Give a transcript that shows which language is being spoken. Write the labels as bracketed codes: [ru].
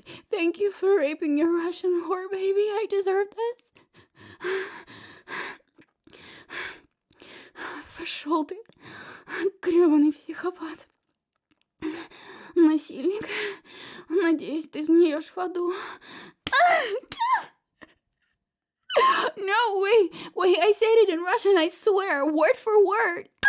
[en] Thank you for raping your Russian whore, baby. I deserve this. [ru] Пошел ты, гребаный психопат. Насильник. Надеюсь, ты сгниешь в аду. [en] No, wait, I said it in Russian, I swear, word for word.